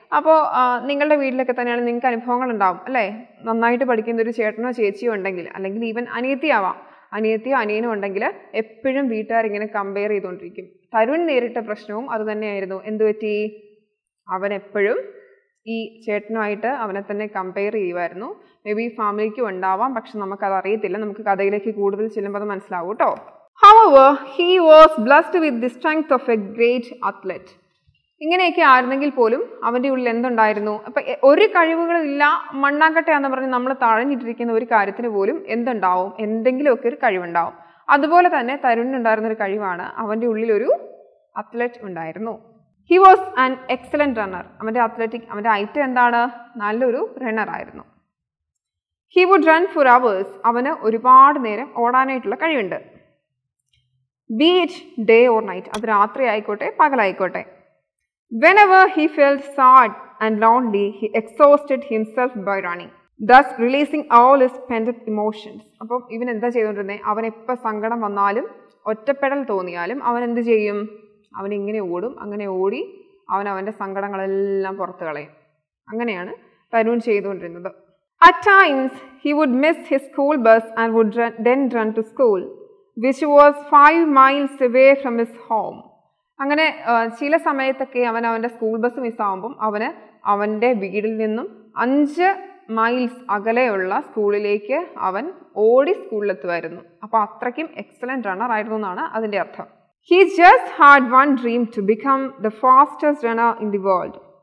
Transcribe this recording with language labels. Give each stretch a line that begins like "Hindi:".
Malayalam: അപ്പോൾ നിങ്ങളുടെ വീട്ടിലൊക്കെ തന്നെയാണ് നിങ്ങൾക്ക് അനുഭവങ്ങളുണ്ടാവും അല്ലേ. നന്നായിട്ട് പഠിക്കുന്ന ഒരു ചേട്ടനോ ചേച്ചിയോ ഉണ്ടെങ്കിൽ, അല്ലെങ്കിൽ ഈവൻ അനിയത്തിയാവാം, അനിയത്തിയോ അനിയനോ ഉണ്ടെങ്കിൽ എപ്പോഴും വീട്ടുകാരിങ്ങനെ കമ്പയർ ചെയ്തുകൊണ്ടിരിക്കും. തരുൺ നേരിട്ട പ്രശ്നവും അതുതന്നെയായിരുന്നു. എന്തുപറ്റി? അവനെപ്പോഴും ഈ ചേട്ടനുമായിട്ട് അവനെ തന്നെ കമ്പയർ ചെയ്യുമായിരുന്നു. മേ ബി ഫാമിലിക്കും ഉണ്ടാവാം, പക്ഷെ നമുക്കതറിയത്തില്ല. നമുക്ക് കഥയിലേക്ക് കൂടുതൽ ചെല്ലുമ്പോൾ അത് മനസ്സിലാവും കേട്ടോ.
English: However, he was blessed with the strength of a great athlete.
Malayalam: ഇങ്ങനെയൊക്കെ ആയിരുന്നെങ്കിൽ പോലും അവൻ്റെ ഉള്ളിൽ എന്തുണ്ടായിരുന്നു? അപ്പം ഒരു കഴിവുകളും ഇല്ല, മണ്ണാക്കട്ടെയാന്ന് പറഞ്ഞ് നമ്മൾ തഴഞ്ഞിട്ടിരിക്കുന്ന ഒരു കാര്യത്തിന് പോലും എന്തുണ്ടാവും? എന്തെങ്കിലുമൊക്കെ ഒരു കഴിവുണ്ടാവും. അതുപോലെ തന്നെ തരുണിനുണ്ടായിരുന്നൊരു കഴിവാണ് അവൻ്റെ ഉള്ളിൽ ഒരു അത്ലറ്റ് ഉണ്ടായിരുന്നു.
English: He was an excellent runner.
Malayalam: അവൻ്റെ അത്ലറ്റിക് അവൻ്റെ ഐറ്റം എന്താണ്? നല്ലൊരു റണ്ണർ ആയിരുന്നു.
English: He would run for hours.
Malayalam: അവന് ഒരുപാട് നേരം ഓടാനായിട്ടുള്ള കഴിവുണ്ട്.
English: be it day or night,
Malayalam: അത് രാത്രി ആയിക്കോട്ടെ പകലായിക്കോട്ടെ.
English: Whenever he felt sad and lonely he exhausted himself by running, thus releasing all his pent emotions.
Malayalam: അപ്പം ഇവൻ എന്താ ചെയ്തുകൊണ്ടിരുന്നത്? അവൻ എപ്പോൾ സങ്കടം വന്നാലും ഒറ്റപ്പെടൽ തോന്നിയാലും അവൻ എന്ത് ചെയ്യും? അവൻ ഇങ്ങനെ ഓടും. അങ്ങനെ ഓടി അവൻ അവൻ്റെ സങ്കടങ്ങളെല്ലാം പുറത്തു കളയും. അങ്ങനെയാണ് തരുൺ ചെയ്തുകൊണ്ടിരുന്നത്.
English: At times, he would miss his school bus and would then run to school, which was 5 miles away from his home.
Malayalam: അങ്ങനെ ചില സമയത്തൊക്കെ അവൻ അവൻ്റെ സ്കൂൾ ബസ് മിസ്സാവുമ്പം അവന് അവൻ്റെ വീടിൽ നിന്നും 5 miles അകലെയുള്ള സ്കൂളിലേക്ക് അവൻ ഓടി സ്കൂളിലെത്തുമായിരുന്നു. അപ്പോൾ അത്രയ്ക്കും എക്സലൻ്റ് റണ്ണർ ആയിരുന്നു എന്നാണ് അതിൻ്റെ അർത്ഥം.
English: He just had one dream to become the fastest runner in the world.